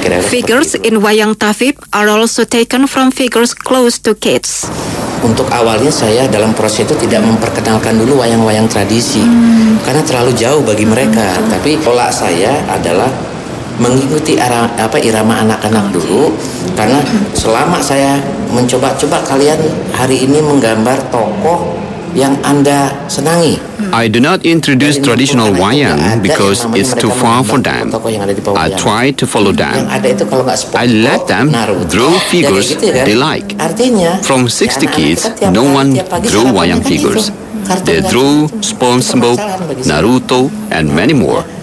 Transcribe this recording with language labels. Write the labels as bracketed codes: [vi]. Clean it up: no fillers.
[en] Figures in wayang Tafib are also taken from figures close to kids. [id] Untuk awalnya saya dalam proses itu tidak memperkenalkan dulu wayang-wayang tradisi, karena terlalu jauh bagi mereka. Tapi pola saya adalah mengikuti irama anak-anak dulu, karena selama saya mencoba-coba, kalian hari ini menggambar tokoh yang Anda senangi. [en] I do not introduce traditional wayang because it's too far for them. I try to follow them. I let them draw figures they like. From 60 kids, no one draw wayang figures. They draw SpongeBob, Naruto, and many more.